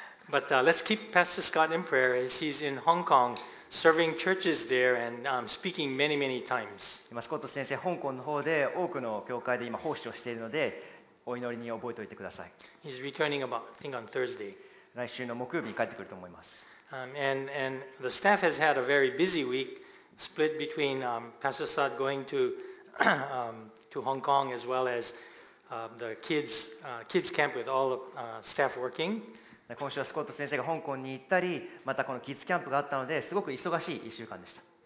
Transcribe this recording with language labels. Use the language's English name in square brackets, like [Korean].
[English] But let's keep Pastor Scott in prayer as he's in Hong Kong serving churches there and speaking many many times. [Japanese] 今スコット先生、香港の方で多くの教会で今奉仕をしているので。お祈りに覚えておいてください。 [English] He's returning about, I think on Thursday. [Japanese] 来週の木曜日に帰ってくると思います。 [English] And the staff has had a very busy week, split between Pastor Scott going to Hong Kong as well as the kids camp with all the staff working. [Japanese] 今週はスコット先生が香港に行ったり、またこのキッズキャンプがあったので、すごく忙しい1週間でした。